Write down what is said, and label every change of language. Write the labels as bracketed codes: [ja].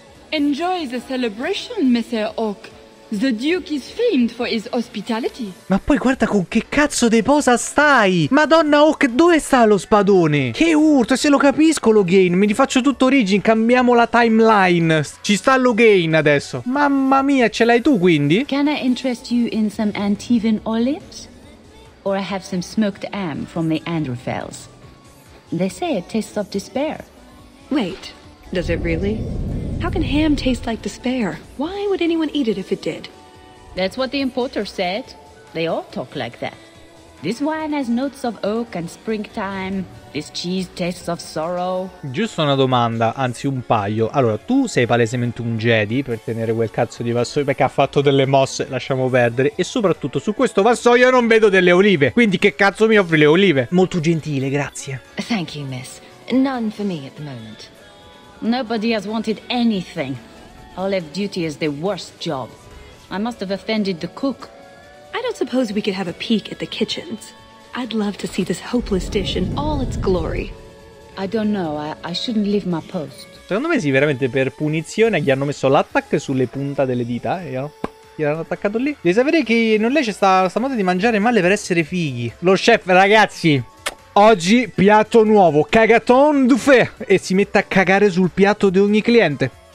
[en] Enjoy the celebration, Messer Hawk. The Duke is famed for his hospitality. [it] Ma poi guarda con che cazzo di posa stai! Madonna Hawk, dove sta lo spadone? Che urto, se lo capisco Loghain, mi rifaccio tutto origin, cambiamo la timeline. Ci sta Loghain adesso. Mamma mia, ce l'hai tu quindi? [en] Can I interest you in some Antivan olives? Or I have some smoked ham from the Andrefels. They say it tastes of despair. Wait, does it really? How can ham taste like despair? Why would anyone eat it if it did? That's what the importer said. They all talk like that. This wine has notes of oak and springtime. This cheese tastes of sorrow. [it] Giusto una domanda, anzi un paio. Allora, tu sei palesemente un Jedi per tenere quel cazzo di vassoio, perché ha fatto delle mosse, lasciamo perdere. E soprattutto su questo vassoio non vedo delle olive. Quindi che cazzo mi offri le olive? Molto gentile, grazie. [en] Thank you, miss. None for me at the moment. Nobody has wanted anything. Olive duty is the worst job. I must have offended the cook. I don't suppose we could have a peek at the kitchens. I'd love to see this hopeless dish in all its glory. I don't know, I shouldn't leave my post. [it] Secondo me sì, veramente per punizione gli hanno messo l'attacco sulle punte delle dita e gli hanno attaccato lì. Devi sapere che non lei c'è sta moda di mangiare male per essere fighi. Lo chef, ragazzi! Oggi piatto nuovo, cagaton d'uffè! E si mette a cagare sul piatto di ogni cliente.